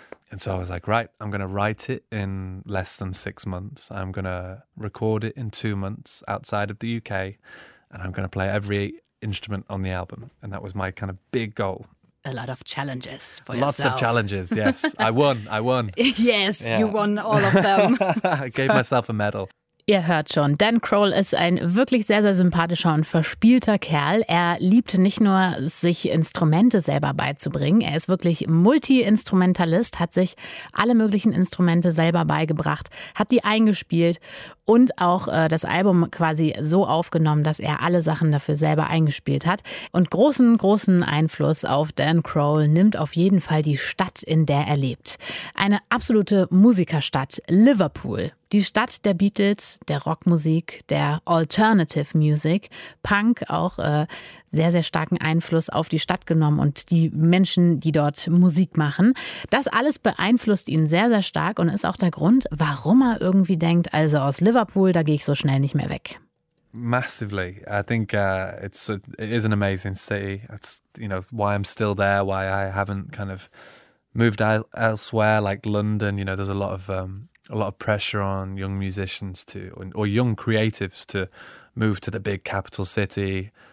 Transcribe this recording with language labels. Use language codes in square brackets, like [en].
[en] And so I was like, right, I'm going to write it in less than 6 months. I'm going to record it in 2 months outside of the UK, and I'm going to play every instrument on the album. And that was my kind of big goal. A lot of challenges for yourself. Lots of challenges, yes. I won. Yes, yeah. You won all of them. I gave myself a medal. [de] Ihr hört schon, Dan Kroll ist ein wirklich sehr, sehr sympathischer und verspielter Kerl. Er liebt nicht nur, sich Instrumente selber beizubringen. Er ist wirklich Multi-Instrumentalist, hat sich alle möglichen Instrumente selber beigebracht, hat die eingespielt und auch das Album quasi so aufgenommen, dass er alle Sachen dafür selber eingespielt hat. Und großen, großen Einfluss auf Dan Kroll nimmt auf jeden Fall die Stadt, in der er lebt. Eine absolute Musikerstadt, Liverpool. Die Stadt der Beatles, der Rockmusik, der Alternative Music, Punk auch sehr, sehr starken Einfluss auf die Stadt genommen und die Menschen, die dort Musik machen. Das alles beeinflusst ihn sehr, sehr stark und ist auch der Grund, warum er irgendwie denkt, also aus Liverpool, da gehe ich so schnell nicht mehr weg. [en] Massively. I think it is an amazing city. It's, you know, why I'm still there, why I haven't kind of moved elsewhere, like London, you know, there's a lot of pressure on young musicians to, or young creatives to move to the big capital city.